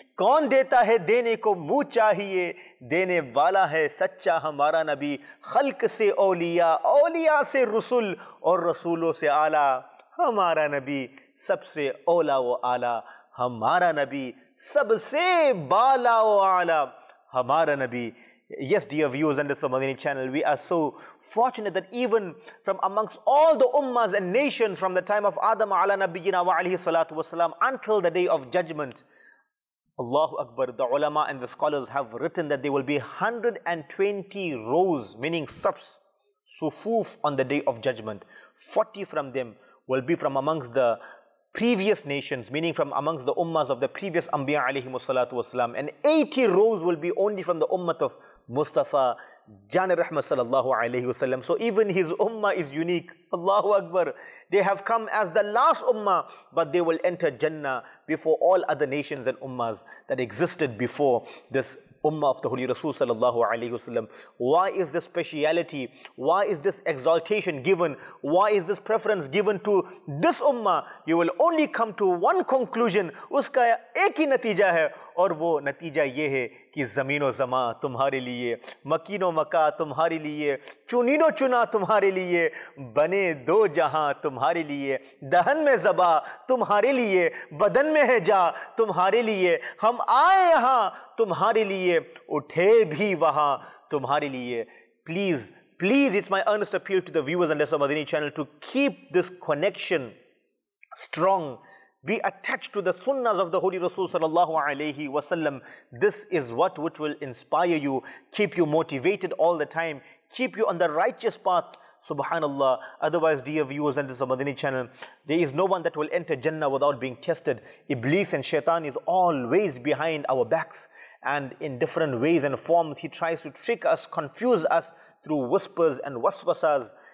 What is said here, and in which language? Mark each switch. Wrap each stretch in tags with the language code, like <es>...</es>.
<ur>کون دیتا ہے دینے کو منہ چاہیے, دینے والا ہے سچا ہمارا نبی. خلق سے اولیاء, اولیاء سے رسول, اور رسولوں سے اعلیٰ ہمارا نبی. سب سے اولا و اعلیٰ ہمارا نبی, سب سے بالا و اعلیٰ ہمارا نبی.</ur> <en>Yes, dear viewers and listeners of Madini channel, we are so fortunate that even from amongst all the ummas and nations from the time of Adam ala nabiyyina wa alayhi salatu wasalam until the day of judgment, Allahu Akbar, the ulama and the scholars have written that there will be 120 rows, meaning safs, sufuf, on the day of judgment. 40 from them will be from amongst the previous nations, meaning from amongst the ummas of the previous anbiya alayhi salatu wasalam, and 80 rows will be only from the ummat of Mustafa Jan Rahmat sallallahu alayhi wa sallam. So even his ummah is unique. Allahu Akbar. They have come as the last ummah, but they will enter Jannah before all other nations and ummahs that existed before this ummah of the Holy Rasul sallallahu alayhi wa sallam. Why is this speciality? Why is this exaltation given? Why is this preference given to this ummah? You will only come to one conclusion. Uska ek hi natija hai.</en> <ur>اور وہ نتیجہ یہ ہے کہ زمین و زمان تمہارے لیے, مکین و مکہ تمہارے لیے, چنین و چنا تمہارے لیے, بنے دو جہاں تمہارے لیے, دہن میں زبا تمہارے لیے, بدن میں ہے جا تمہارے لیے, ہم آئے یہاں تمہارے لیے, اٹھے بھی وہاں تمہارے لیے.</ur> <en>Please please, it's my earnest appeal to the viewers and listeners Madani channel to keep this connection strong. Be attached to the sunnahs of the Holy Rasul sallallahu alayhi wa sallam. This is what which will inspire you, keep you motivated all the time, keep you on the righteous path. Subhanallah. Otherwise, dear viewers and this Madini channel, there is no one that will enter Jannah without being tested. Iblis and Shaitan is always behind our backs, and in different ways and forms, he tries to trick us, confuse us through whispers and waswasas.</en>